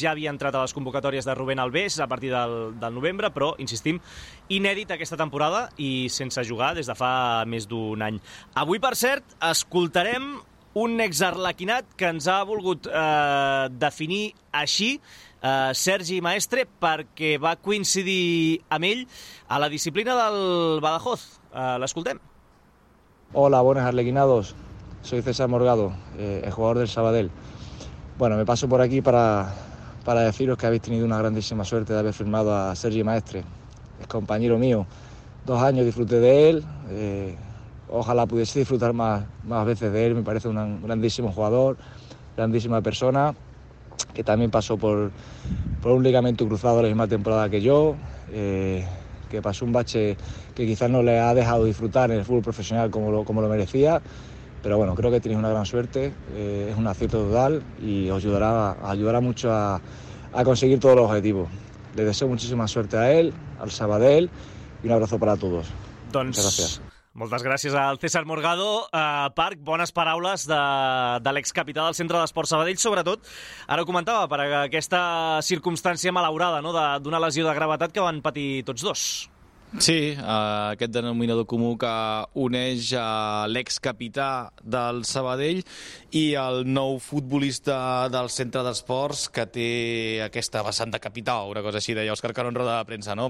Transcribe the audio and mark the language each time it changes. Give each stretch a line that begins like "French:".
Catalan: Ja havia entrat a les convocatòries de Rubén Alves a partir del novembre, però, insistim, inèdit aquesta temporada i sense jugar des de fa més d'un any. Avui, per cert, escoltarem un exarlequinat que ens ha volgut definir així, Sergi Maestre, perquè va coincidir amb ell a la disciplina del Badajoz. L'escoltem.
Spanish: Hola, buenas arlequinados. Soy César Morgado, el jugador del Sabadell. Bueno, me paso por aquí para deciros que habéis tenido una grandísima suerte de haber firmado a Sergi Maestre. Es compañero mío. 2 años disfruté de él. Ojalá pudiese disfrutar más veces de él. Me parece un grandísimo jugador, grandísima persona, que también pasó por un ligamento cruzado la misma temporada que yo, que pasó un bache que quizás no le ha dejado disfrutar en el fútbol profesional como lo merecía. Pero bueno, creo que tenéis una gran suerte, es un acierto total y os ayudará mucho a conseguir todos los objetivos. Le deseo muchísima suerte a él, al Sabadell, y un abrazo para todos.
Catalan: Doncs,
Spanish: muchas gracias.
Catalan: Moltes gràcies al César Morgado. Parc, bones paraules de l'excapità del Centre d'Esports Sabadell, sobretot, ara ho comentava, per aquesta circumstància malaurada, no?, d'una lesió de gravetat que van patir tots dos. Sí, aquest denominador comú que uneix l'excapità del Sabadell i el nou futbolista del centre d'esports que té aquesta vessant de capità, una cosa així, deia Òscar Carón, roda de premsa, no?